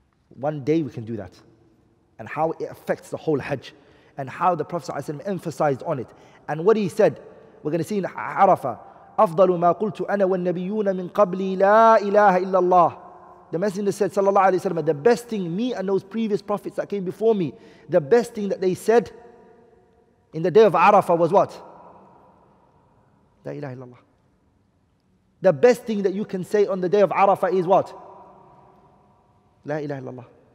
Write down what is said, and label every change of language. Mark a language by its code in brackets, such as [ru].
[en] One day we can do that. And how it affects the whole Hajj. And how the Prophet ﷺ emphasized on it. And what he said, we're going to see in Arafah, [ar] أفضل ما قلت أنا والنبيون من قبلي لا إله إلا الله. [en] The Messenger said, sallallahu alayhi wa sallam, the best thing me and those previous prophets that came before me, the best thing that they said in the day of Arafah was what? La ilaha illallah. The best thing that you can say on the day of Arafah is what? La ilaha illallah.